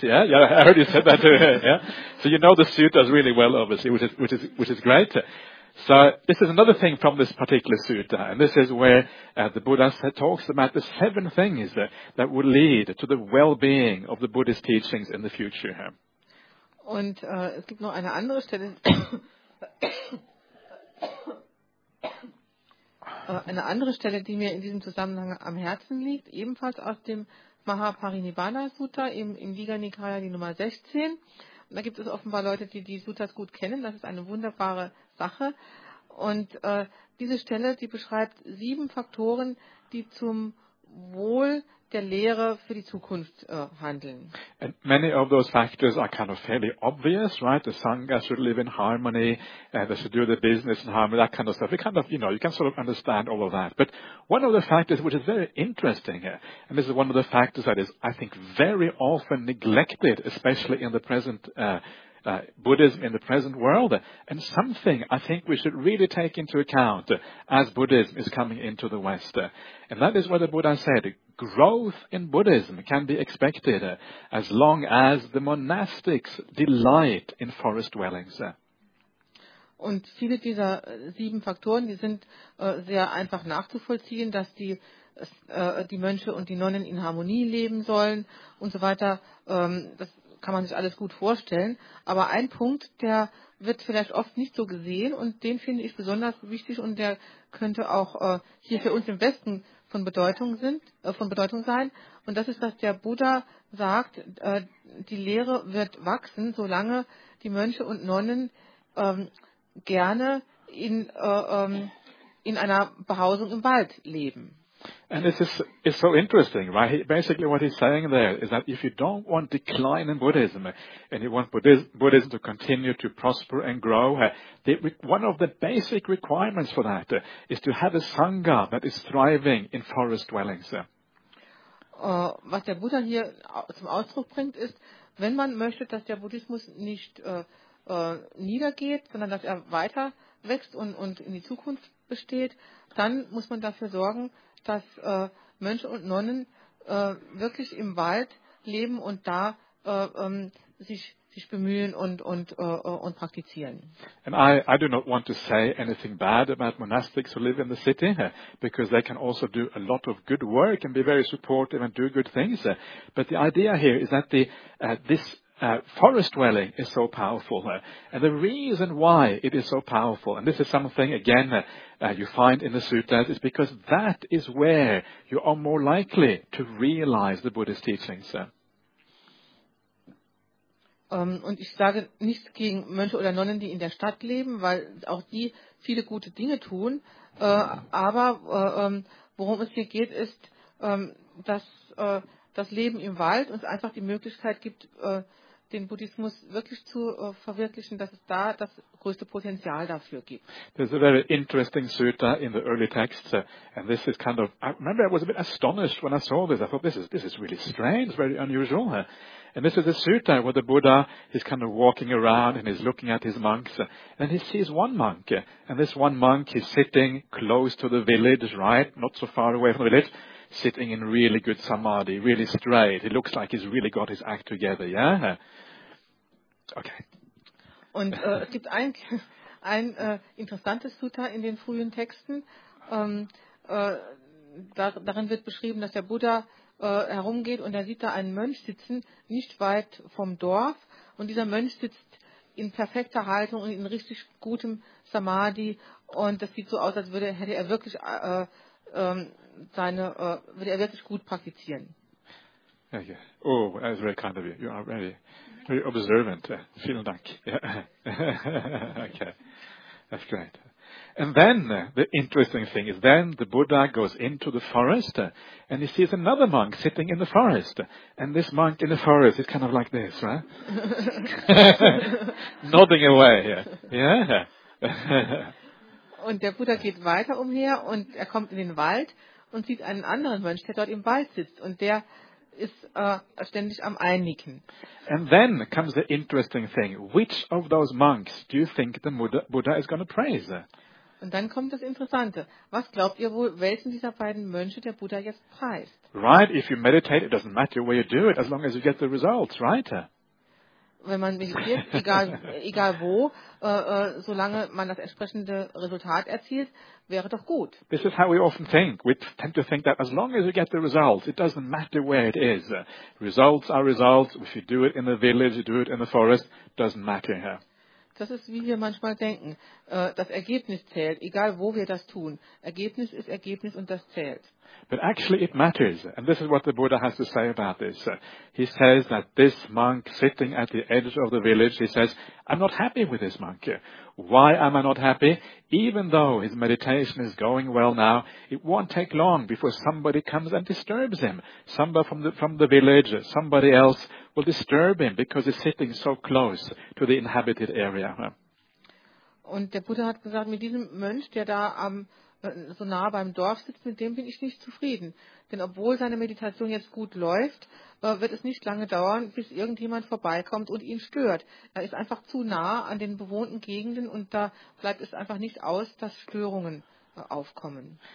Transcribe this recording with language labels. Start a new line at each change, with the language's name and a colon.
English: Yeah, I heard you said that too. Yeah? So you know the suttas really well, obviously, which is great. So this is another thing from this particular sutta, and this is where the Buddha talks about the seven things that would lead to the well-being of the Buddhist teachings in the future.
German: Und es gibt noch eine andere Stelle, eine andere Stelle, die mir in diesem Zusammenhang am Herzen liegt, ebenfalls aus dem Mahaparinibbana Sutta im Digha Nikaya, die Nummer 16. Und da gibt es offenbar Leute, die Suttas gut kennen. Das ist eine wunderbare Sache. Und diese Stelle, die beschreibt sieben Faktoren, die zum Wohl der Lehre für die Zukunft handeln.
English: And many of those factors are kind of fairly obvious, right? The Sangha should live in harmony, they should do the business in harmony, that kind of stuff. You can sort of understand all of that. But one of the factors which is very interesting, and this is one of the factors that is, I think, very often neglected, especially in the present Buddhism in the present world, and something I think we should really take into account as Buddhism is coming into the West. And that is what the Buddha said, growth in Buddhism can be expected as long as the monastics delight in forest dwellings.
German: Und viele dieser sieben Faktoren, die sind sehr einfach nachzuvollziehen, dass die Mönche und die Nonnen in Harmonie leben sollen und so weiter. Das kann man sich alles gut vorstellen. Aber ein Punkt, der wird vielleicht oft nicht so gesehen und den finde ich besonders wichtig und der könnte auch hier für uns im Westen von Bedeutung sein. Und das ist, dass der Buddha sagt, die Lehre wird wachsen, solange die Mönche und Nonnen gerne in einer Behausung im Wald leben.
English: And it's so interesting, right? Basically what he's saying there is that if you don't want decline in Buddhism and you want Buddhism to continue to prosper and grow, one of the basic requirements for that is to have a Sangha that is thriving in forest dwellings.
German: Was der Buddha hier zum Ausdruck bringt ist, wenn man möchte, dass der Buddhismus nicht niedergeht, sondern dass weiter wächst und in die Zukunft besteht, dann muss man dafür sorgen, dass Mönche und Nonnen wirklich im Wald leben und da sich bemühen und praktizieren.
English: And I do not want to say anything bad about monastics who live in the city, because they can also do a lot of good work and be very supportive and do good things. But the idea here is that forest dwelling is so powerful. And the reason why it is so powerful, and this is something, again, you find in the suttas, is because that is where you are more likely to realize the Buddhist teachings.
German: Und ich sage nichts gegen Mönche oder Nonnen, die in der Stadt leben, weil auch die viele gute Dinge tun. Aber worum es hier geht, ist, dass das Leben im Wald uns einfach die Möglichkeit gibt, den Buddhismus wirklich zu verwirklichen, dass es da das größte Potenzial dafür gibt.
English: There's a very interesting sutta in the early texts, and this is kind of, I remember I was a bit astonished when I saw this. I thought this is really strange, very unusual. And this is a sutta where the Buddha is kind of walking around and he's looking at his monks, and he sees one monk, and this one monk is sitting close to the village, right, not so far away from the village, sitting in really good samadhi, really straight. It looks like he's really got his act together, yeah? Okay.
German: Und es gibt ein interessantes Sutta in den frühen Texten. Darin wird beschrieben, dass der Buddha herumgeht und er sieht da einen Mönch sitzen, nicht weit vom Dorf. Und dieser Mönch sitzt in perfekter Haltung und in richtig gutem Samadhi. Und das sieht so aus, als hätte er wirklich würde er wirklich gut praktizieren.
English: Okay. Oh, that is very kind of you. You are very, very observant.
German: Vielen Dank.
English: Yeah. Okay, that's great. And then the interesting thing is then the Buddha goes into the forest and he sees another monk sitting in the forest. And this monk in the forest is kind of like this, right? Nodding away. Yeah.
German: Und der Buddha geht weiter umher und er kommt in den Wald und sieht einen anderen Mönch, der dort im Wald sitzt. Und der ist ständig am Einnicken.
English: And then comes the interesting thing. Which of those monks do you think the Buddha is going to praise?
German: Und dann kommt das Interessante. Was glaubt ihr wohl, welchen dieser beiden Mönche der Buddha jetzt preist?
English: Right, if you meditate, it doesn't matter where you do it, as long as you get the results, right?
German: Wenn man meditiert, egal wo, solange man das entsprechende Resultat erzielt, wäre doch gut.
English: This is how we often think. We tend to think that as long as you get the results, it doesn't matter where it is. Results are results. If you do it in the village, you do it in the forest, it doesn't matter.
German: Das ist, wie wir manchmal denken. Das Ergebnis zählt, egal wo wir das tun. Ergebnis ist Ergebnis und das zählt.
English: But actually it matters. And this is what the Buddha has to say about this. He says that this monk sitting at the edge of the village, he says, I'm not happy with this monk. Why am I not happy? Even though his meditation is going well now, it won't take long before somebody comes and disturbs him. Somebody from the village, somebody else will disturb him because he's sitting so close to the inhabited area.
German: Und der Buddha hat gesagt, mit diesem Mönch, der da so nah beim Dorf sitzt, mit dem bin ich nicht zufrieden. Denn obwohl seine Meditation jetzt gut läuft, wird es nicht lange dauern, bis irgendjemand vorbeikommt und ihn stört. Er ist einfach zu nah an den bewohnten Gegenden und da bleibt es einfach nicht aus, dass Störungen aufkommen.